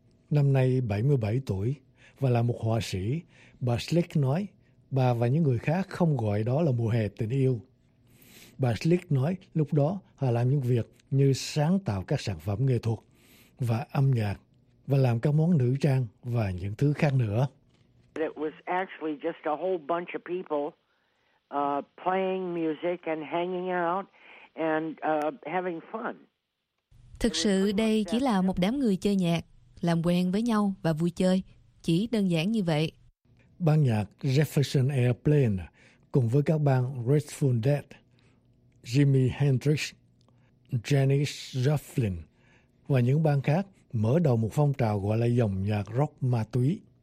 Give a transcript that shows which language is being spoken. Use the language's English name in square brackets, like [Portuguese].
[Vietnamese] Năm nay 77 tuổi và là một họa sĩ, bà Slick nói bà và những người khác không gọi đó là mùa hè tình yêu. Bà Slick nói lúc đó họ làm những việc như sáng tạo các sản phẩm nghệ thuật và âm nhạc và làm các món nữ trang và những thứ khác nữa. [English] It was actually just a whole bunch of people playing music and hanging out. [Vietnamese] Thực sự đây chỉ là một đám người chơi nhạc, làm quen với nhau và vui chơi, chỉ đơn giản như vậy. Ban nhạc Jefferson Airplane cùng với các bang Grateful Dead, Jimi Hendrix, Janis Joplin và những bang khác mở đầu một phong trào gọi là dòng nhạc rock ma túy.